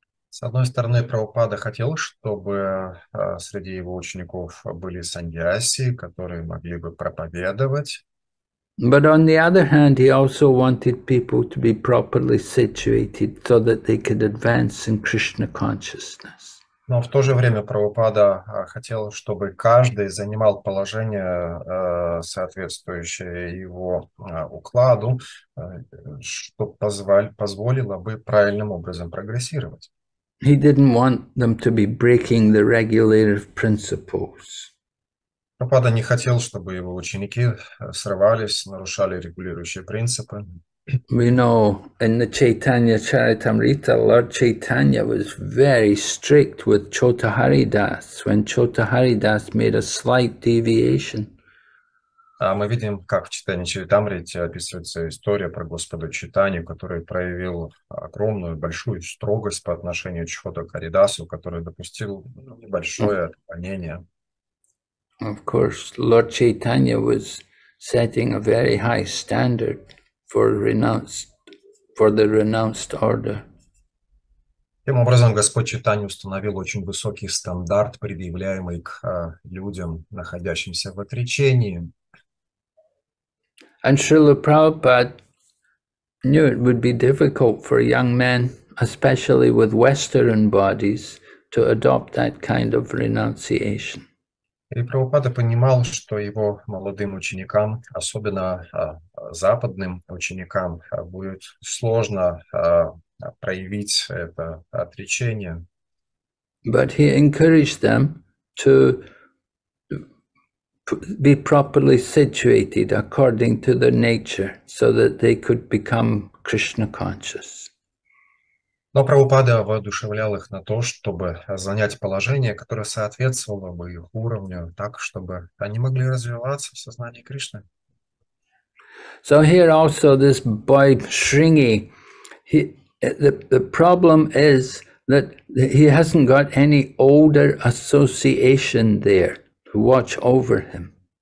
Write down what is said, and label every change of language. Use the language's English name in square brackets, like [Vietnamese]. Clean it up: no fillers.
[Russian] С одной стороны, Прабхупада хотел, чтобы среди его учеников были саньяси, которые могли бы проповедовать. [English] But on the other hand, he also wanted people to be properly situated so that they could advance in Krishna consciousness. [Russian] Но в то же время Прабхупада хотел, чтобы каждый занимал положение, соответствующее его укладу, что позволило бы правильным образом прогрессировать. [English] He didn't want them to be breaking the regulative principles. [Russian] Прабхупада не хотел, чтобы его ученики срывались, нарушали регулирующие принципы. [English] We know in the Chaitanya Charitamrita, Lord Chaitanya was very strict with Chotaharidas when Chotaharidas made a slight deviation. [Russian] Мы видим, как в Читании Чаритамрите описывается история про Господа Читанию, который проявил огромную, большую строгость по отношению к Чхотахаридасу, который допустил небольшое отклонение. [English] Of course, Lord Chaitanya was setting a very high standard for the renounced order. [Russian] Тем образом, Господь Читанию установил очень высокий стандарт, предъявляемый к людям, находящимся в отречении. [English] And Srila Prabhupada knew it would be difficult for young men, especially with Western bodies, to adopt that kind of renunciation. [Russian] И Прабхупада понимал, что его молодым ученикам, особенно западным ученикам, будет сложно проявить это отречение. [English] But he encouraged them to be properly situated according to their nature so that they could become Krishna conscious. [Russian] Но Прабхупада воодушевлял их на то, чтобы занять положение, которое соответствовало бы их уровню, так чтобы они могли развиваться в сознании Кришны. [English] So here also this boy Шринги, the problem is that he hasn't got any older association there to watch over him.